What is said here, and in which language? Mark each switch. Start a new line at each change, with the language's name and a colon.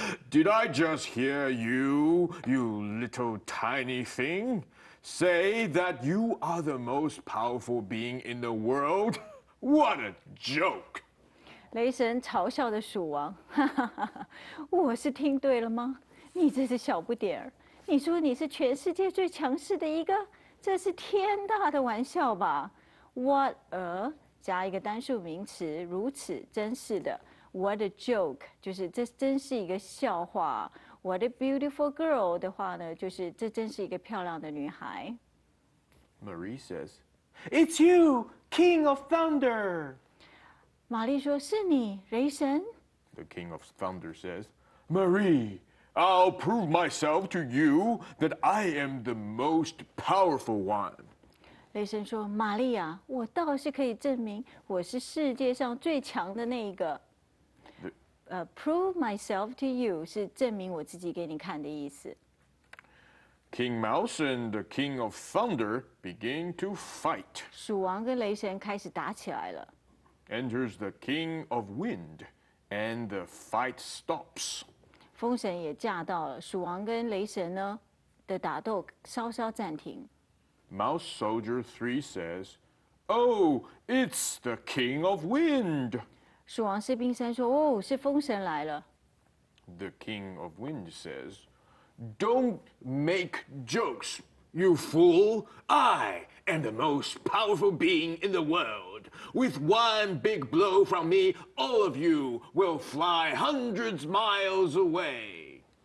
English: Did I just hear you, you little tiny thing, say that you are the most powerful being in the world? What a joke!
Chinese: 雷神嘲笑的鼠王，我是听对了吗？你这是小不点儿！你说你是全世界最强势的一个，这是天大的玩笑吧 ？
English: What a
Chinese: 加一个单数名词，如此真是的。
English: What a joke
Chinese: 就是这真是一个笑话。
English: What a beautiful girl
Chinese: 的话呢，就是这真是一个漂亮的女孩。
English: Marie says, "It's you." King of Thunder!
Chinese: 玛丽说是你雷神
English: The King of Thunder says, Marie, I'll prove myself to you that I am the most powerful one.
Chinese: 雷神说玛丽啊我倒是可以证明我是世界上最强的那一个。
English: Prove myself to you
Chinese: 是证明我自己给你看的意思。
English: King Mouse and the King of Thunder begin to fight.
Chinese: 鼠王跟雷神开始打起来了。
English: Enters the King of Wind, and the fight stops.
Chinese: 风神也驾到了，鼠王跟雷神呢的打斗稍稍暂停。
English: Mouse Soldier 3 says, Oh, it's the King of Wind.
Chinese: 鼠王士兵三说，哦，是风神来了。
English: The King of Wind says,Don't make jokes, you fool. I am the most powerful being in the world. With one big blow from me, all of you will fly hundreds of miles away.